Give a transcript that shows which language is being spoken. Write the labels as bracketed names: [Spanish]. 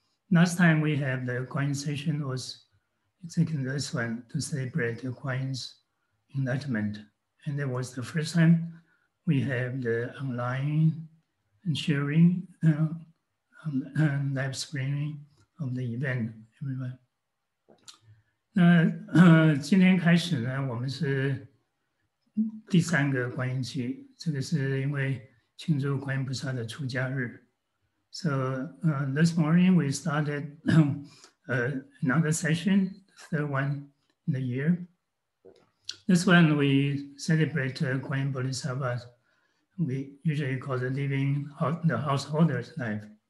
[English] Last time we have the Guanyin session was exactly this one to celebrate Guanyin's enlightenment. And that was the first time we have the online and sharing live streaming of the event, everyone. [Chinese] 那今天开始呢，我们是第三个观音期，这个是因为庆祝观音菩萨的出家日。 [English] So this morning we started another session, third one in the year. This one we celebrate Guanyin Bodhisattva. We usually call the living the householder's life.